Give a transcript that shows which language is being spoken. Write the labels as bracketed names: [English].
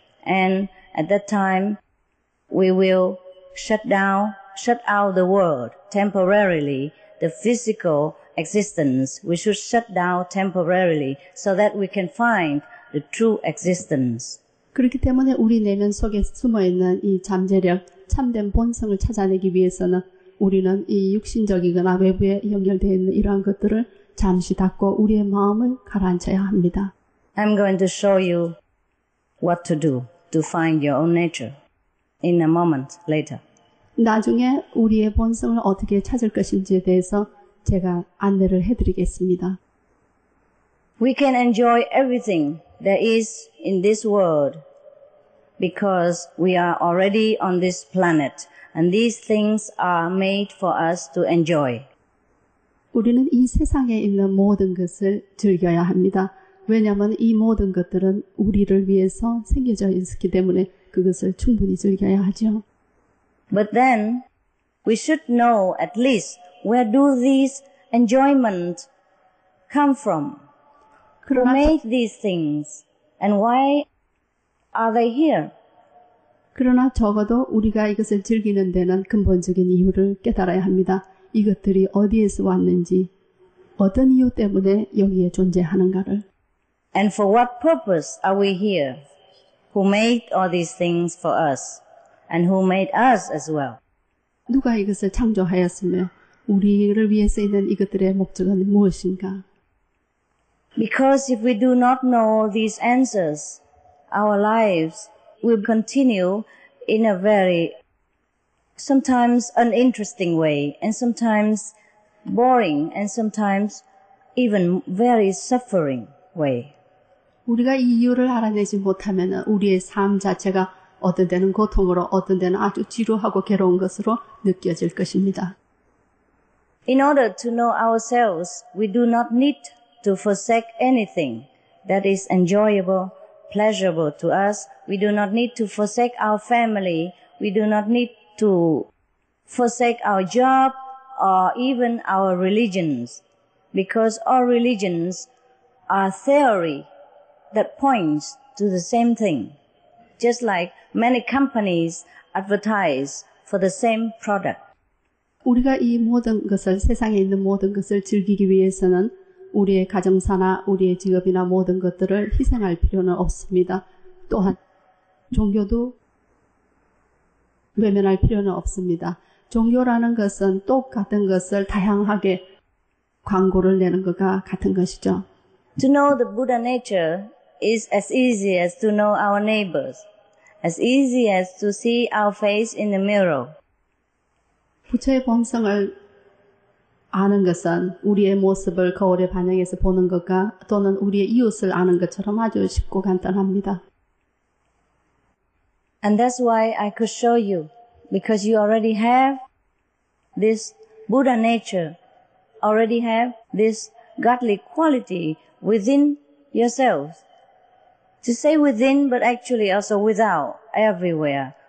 [English] And at that time, we will shut out the world temporarily, the physical existence. We should shut down temporarily so that we can find the true existence. [Korean] 그렇기 때문에 우리 내면 속에 숨어있는 이 잠재력, 참된 본성을 찾아내기 위해서는 우리는 이 육신적이거나 외부에 연결되어 있는 이러한 것들을 잠시 닫고 우리의 마음을 가라앉혀야 합니다. [English] I'm going to show you what to do to find your own nature in a moment later. [Korean] 나중에 우리의 본성을 어떻게 찾을 것인지에 대해서 제가 안내를 해드리겠습니다. [English] We can enjoy everything there is in this world because we are already on this planet and these things are made for us to enjoy. [Korean] 우리는 이 세상에 있는 모든 것을 즐겨야 합니다. 왜냐하면 이 모든 것들은 우리를 위해서 생겨져 있기 때문에 그것을 충분히 즐겨야 하죠. [English] But then we should know at least where do these enjoyments come from? Who made these things? And why are they here? [Korean] 그러나 적어도 우리가 이것을 즐기는 데는 근본적인 이유를 깨달아야 합니다. 이것들이 어디에서 왔는지, 어떤 이유 때문에 여기에 존재하는가를. [English] And for what purpose are we here? Who made all these things for us? And who made us as well? [Korean] 누가 이것을 창조하였으며 우리를 위해서 있는 이것들의 목적은 무엇인가? [English] Because if we do not know these answers, our lives will continue in a very sometimes uninteresting way and sometimes boring and sometimes even very suffering way. [Korean] 우리가 이 이유를 알아내지 못하면 우리의 삶 자체가 어떤 때는 고통으로, 어떤 때는 아주 지루하고 괴로운 것으로 느껴질 것입니다. [English] In order to know ourselves, we do not need to forsake anything that is enjoyable, pleasurable to us. We do not need to forsake our family. We do not need to forsake our job or even our religions. Because all religions are theory that points to the same thing. Just like many companies advertise for the same product. [Korean] 우리가 이 모든 것을, 세상에 있는 모든 것을 즐기기 위해서는 우리의 가정사나 우리의 직업이나 모든 것들을 희생할 필요는 없습니다. 또한 종교도 외면할 필요는 없습니다. 종교라는 것은 똑같은 것을 다양하게 광고를 내는 것과 같은 것이죠. [English] To know the Buddha nature is as easy as to know our neighbors. As easy as to see our face in the mirror. [Korean] 부처의 본성을 아는 것은 우리의 모습을 거울에 반영해서 보는 것과 또는 우리의 이웃을 아는 것처럼 아주 쉽고 간단합니다. [English] And that's why I could show you, because you already have this Buddha nature, already have this godly quality within yourselves. To say within, but actually also without, everywhere.